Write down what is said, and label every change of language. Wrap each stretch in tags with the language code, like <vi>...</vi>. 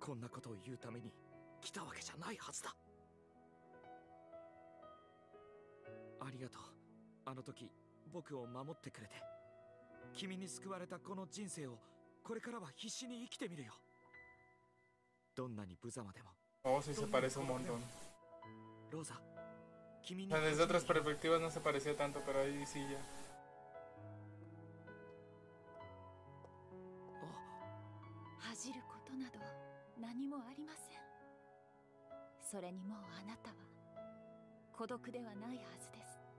<ja>こんなことを言うために来たわけじゃないはずだ。ありがとう、あの時僕を守ってくれて。君に救われたこの人生をこれからは必死に生きてみるよ。どんなに無様でも。</ja> <es>Oh, sí, se parece un montón.</es> <ja>Rosa, 君に。</ja> <es>Desde otras perspectivas no se parecía tanto, pero ahí sí ya.</es> <ja>恥じることなど何もありません。それにもうあなたは孤独ではないはずです。</ja>